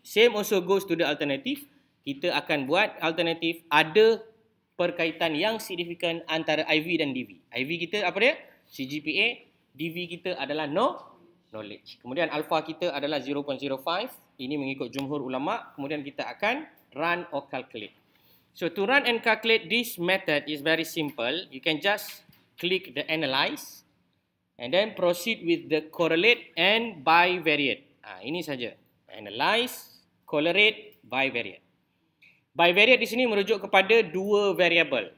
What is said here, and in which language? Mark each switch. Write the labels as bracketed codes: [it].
[en] Same also goes to the alternative. [ms] Kita akan buat alternative ada perkaitan yang significant antara IV dan DV. IV kita apa dia? CGPA. DV kita adalah no knowledge. Kemudian alpha kita adalah 0.05. Ini mengikut jumhur ulama. Kemudian kita akan [en] run or calculate. So to run and calculate this method is very simple. You can just click the analyze and then proceed with the correlate and bivariate. [ms] Ini saja. Analyze, correlate, bivariate. Bivariate di sini merujuk kepada dua variable.